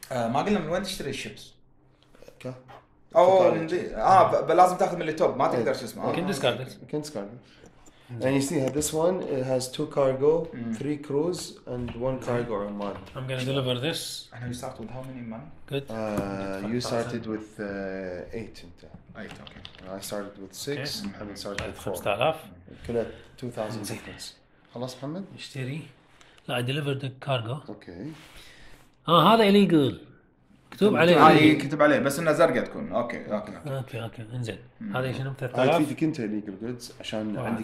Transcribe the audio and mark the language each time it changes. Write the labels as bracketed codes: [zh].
[ar] ما قلنا من وين تشتري الشيبس؟ أوكي. أوه من دي. لازم تأخذ من اللي توب ما تقدر شو اسمه. كنت سكارلت. كنت سكارلت. [en] And you see that this one it has 2 cargo, 3 crews and 1 cargo on mine. I'm gonna deliver this. And you started with how many man? Good. You started with 8 [ar] أنت. [en] 8 okay. I started with 6. Okay. I started with 4. 5,000. كله 2,000 difference. [ar] خلاص محمد. اشتري. لا [en] I delivered the cargo. Okay. [ar] هذا illegal. كتب عليه. هاي كتب عليه بس إنه زرقة تكون. [en] Okay okay. Okay okay. [ar] إنزين. هذا شنو [en] 3,000. [ar] هاي فيك أنت illegal goods عشان عندك.